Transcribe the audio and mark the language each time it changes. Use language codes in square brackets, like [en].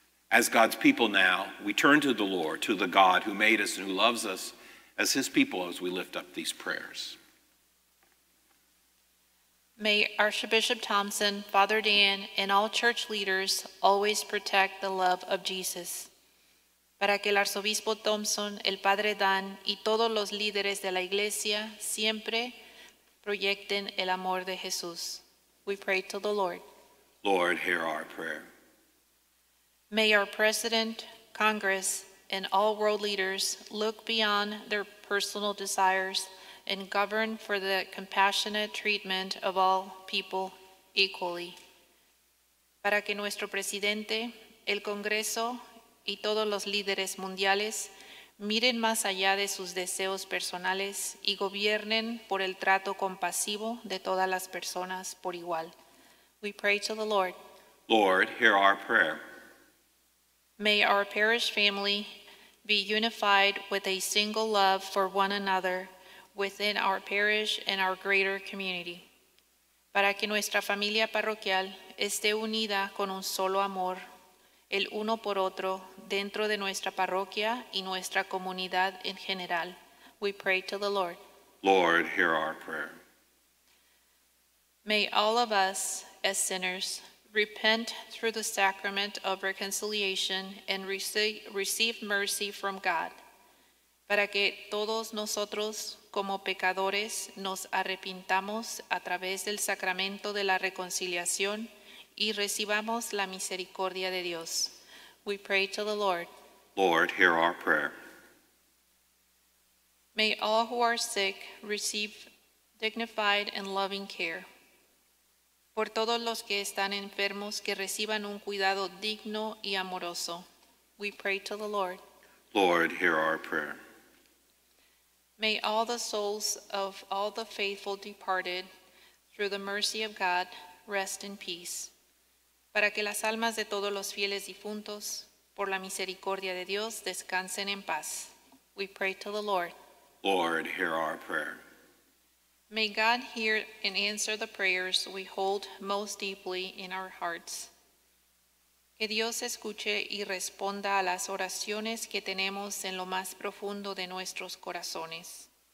[en] As God's people now, we turn to the Lord, to the God who made us and who loves us as his people as we lift up these prayers. May Archbishop Thompson, Father Dan, and all church leaders always protect the love of Jesus. [es] Para que el Arzobispo Thompson, el Padre Dan, y todos los líderes de la Iglesia siempre proyecten el amor de Jesús. [en] We pray to the Lord. Lord, hear our prayer. May our President, Congress, and all world leaders look beyond their personal desires and govern for the compassionate treatment of all people equally. [es] Para que nuestro presidente, el Congreso, y todos los líderes mundiales miren más allá de sus deseos personales y gobiernen por el trato compasivo de todas las personas por igual. [en] We pray to the Lord. Lord, hear our prayer. May our parish family be unified with a single love for one another within our parish and our greater community. [es] Para que nuestra familia parroquial esté unida con un solo amor, el uno por otro, dentro de nuestra parroquia y nuestra comunidad en general. [en] We pray to the Lord. Lord, hear our prayer. May all of us, as sinners, repent through the sacrament of reconciliation and receive mercy from God. [es] Para que todos nosotros, como pecadores, nos arrepintamos a través del sacramento de la reconciliación y recibamos la misericordia de Dios. [en] We pray to the Lord. Lord, hear our prayer. May all who are sick receive dignified and loving care. [es] Por todos los que están enfermos, que reciban un cuidado digno y amoroso. [en] We pray to the Lord. Lord, hear our prayer. May all the souls of all the faithful departed, through the mercy of God, rest in peace. [es] Para que las almas de todos los fieles difuntos, por la misericordia de Dios, descansen en paz. [en] We pray to the Lord. Lord, hear our prayer. May God hear and answer the prayers we hold most deeply in our hearts. [es] Que Dios escuche y responda a las oraciones que tenemos en lo más profundo de nuestros corazones.